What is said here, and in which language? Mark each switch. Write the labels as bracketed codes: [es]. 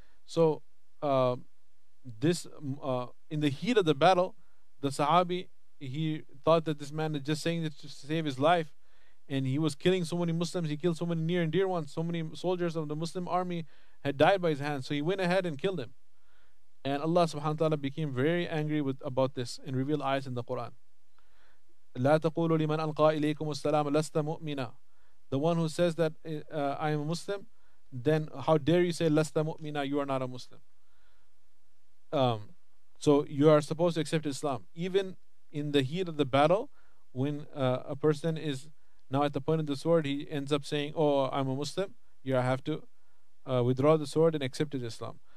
[en] So in the heat of the battle, the sahabi, he thought that this man is just saying this to save his life, and he was killing so many Muslims, he killed so many near and dear ones, so many soldiers of the Muslim army had died by his hands. So he went ahead and killed him, and Allah subhanahu wa ta'ala became very angry about this and revealed ayahs in the Quran. [ar] لا تقولوا لمن ألقى إليكم السلام لست مؤمنا. [en] The one who says that I am a Muslim, then how dare you say [ar] لست مؤمنا, [en] you are not a Muslim. So you are supposed to accept Islam. Even in the heat of the battle, when a person is now at the point of the sword, he ends up saying, oh, I'm a Muslim, you have to withdraw the sword and accept Islam.